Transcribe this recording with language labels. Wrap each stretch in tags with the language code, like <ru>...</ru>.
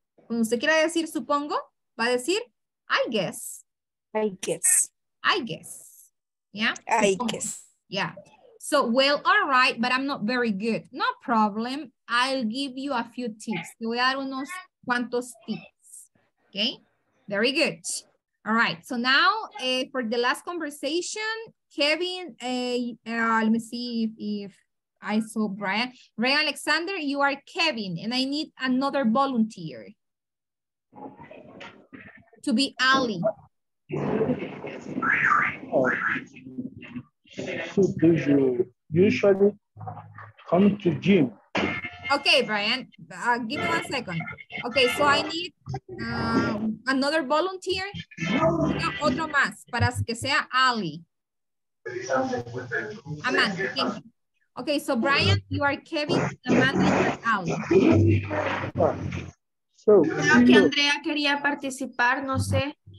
<es>Cuando usted quiera decir supongo, va a decir,</es> <en>I guess. I guess. I guess. Yeah? I supongo. Guess. Yeah. So, well, all right, but I'm not very good. No problem. I'll give you a few tips.</en> <es>Te voy a dar unos cuantos tips.</es> <en>Okay? Very good. All right. So now, for the last conversation, Kevin, let me see if I saw Brian. Ray Alexander, you are Kevin, and I need another volunteer to be Ali. So do you usually come to gym? Okay, Brian, give me 1 second. Okay, so I need another volunteer.</en> <es>Otro más, para que sea Ali.</es> <en>Amanda, thank you. Okay, so Brian, you are Kevin, Amanda, you are Ali.</en> <es>So, creo que Andrea quería participar, no sé.</es>